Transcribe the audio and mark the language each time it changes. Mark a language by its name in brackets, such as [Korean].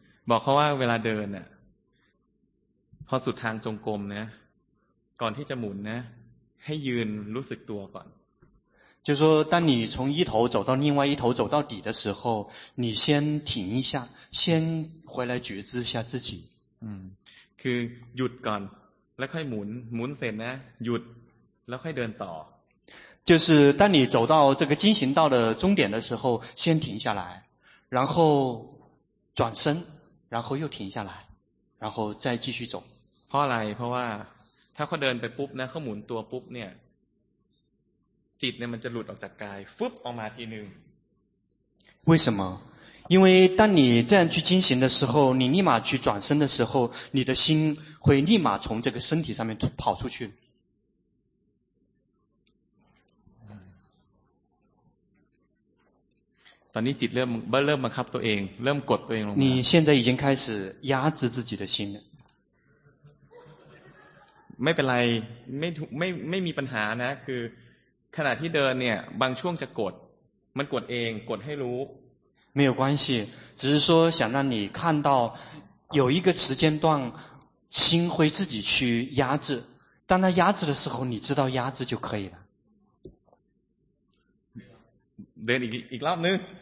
[Thai] บอกเขาว่าเวลาเดินอ่ะพอสุดทางจงกรมนะก่อนที่จะหมุนนะให้ยืนรู้สึกตัวก่อน [Chinese] 就是说当你从一头走到另外一头走到底的时候你先停一下先回来觉知一下自己 [Thai] คือหยุดก่อน แล้วค่อยหมุนหมุนเสร็จนะหยุดแล้วค่อยเดินต่อ [Chinese] 就是当你走到这个进行道的终点的时候先停下来然后转身然后又停下来然后再继续走 [Thai] เพราะอะไรเพราะว่าถ้าเขาเดินไปปุ๊บนะเขาหมุนตัวปุ๊บเนี่ยจิตเนี่ยมันจะหลุดออกจากกายฟึบออกมาทีนึง [Chinese] 为什么因为当你这样去进行的时候你立马去转身的时候你的心会立马从这个身体上面跑出去 [Thai] ตอนนี้จิตเริ่มบังคับตัวเองเริ่มกดตัวเองลงมา [Chinese] 你现在已经开始压制自己的心了 [Thai] ไม่เป็นไรไม่มีปัญหานะคือขณะที่เดินเนี่ยบางช่วงจะกดมันกดเองกดให้รู้ [Chinese] ไม่有关系只是说想让你看到有一个时间段心会自己去压制当它压制的时候你知道压制就可以了 [Thai] เดินอีกรอบนึง